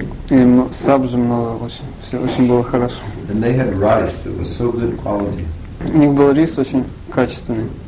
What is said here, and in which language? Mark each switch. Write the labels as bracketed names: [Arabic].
[Russian] И сабжи много очень, все очень было хорошо. [English] And they had rice that was so good quality. [Russian] У них был рис очень качественный.